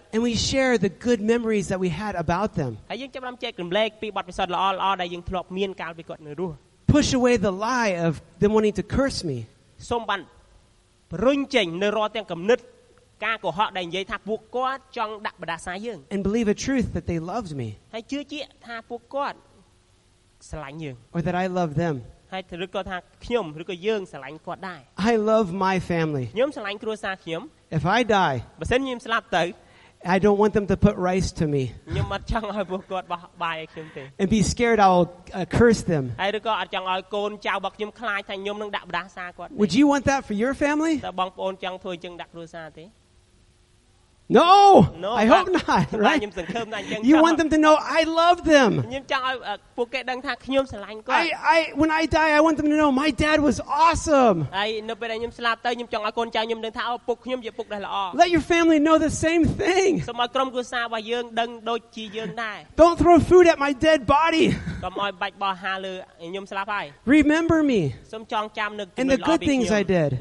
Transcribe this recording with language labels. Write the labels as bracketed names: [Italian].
[English] And we share the good memories that we had about them [Khmer] ហើយយើងចាប់បានចែករំលែកពីបទពិសោធន៍ល្អល្អដែលយើងធ្លាប់មានកាលពីគាត់នៅរស់ [English] Push away the lie of them wanting to curse me [Khmer] សូមបានប្រុញចេញនៅរាល់ទាំងគំនិតការកុហកដែលនិយាយថាពួកគាត់ចង់ដាក់បដាសាយើង [English] And believe a truth that they loved me [Khmer] ហើយជឿជាក់ថាពួកគាត់ស្រឡាញ់យើង [English] Or that I love them [Khmer] ហើយឬក៏ថាខ្ញុំឬក៏យើងស្រឡាញ់គាត់ដែរ [English] I love my family [Khmer] ខ្ញុំស្រឡាញ់គ្រួសារខ្ញុំ [English] If I die [Khmer] បើសិនខ្ញុំស្លាប់ទៅ [English] I don't want them to put rice to me [Khmer] ខ្ញុំអត់ចង់ឲ្យពួកគាត់បោះបាយឲ្យខ្ញុំទេ [English] And be scared I'll curse them [Khmer] ហើយឬក៏អត់ចង់ឲ្យកូនចៅរបស់ខ្ញុំខ្លាចថាខ្ញុំនឹងដាក់បដាសាគាត់ [English] Would you want that for your family [Khmer] តើបងប្អូនចង់ធ្វើចឹងដាក់គ្រួសារទេ [English] No I hope not right [Khmer] ខ្ញុំសង្ឃឹមថាអញ្ចឹង [English] You want them to know I love them [Khmer] ខ្ញុំចង់ឲ្យពួកគេដឹងថាខ្ញុំស្រឡាញ់គាត់ [English] I when I die I want them to know my dad was awesome [Khmer] ហើយនៅពេលដែលខ្ញុំស្លាប់ទៅខ្ញុំចង់ឲ្យកូនចៅខ្ញុំដឹងថាអូពុកខ្ញុំជាពុកដែលល្អ [English] Let your family know the same thing [Khmer] សូមឲ្យក្រុមគ្រួសាររបស់យើងដឹងដូចជាយើងដែរ [English] Don't throw food at my dead body [Khmer] កុំឲ្យបាច់បោះហាលើខ្ញុំស្លាប់ហើយ [English] Remember me [Khmer] សូមចងចាំនូវ គុណល្អពីខ្ញុំ [English] The things I did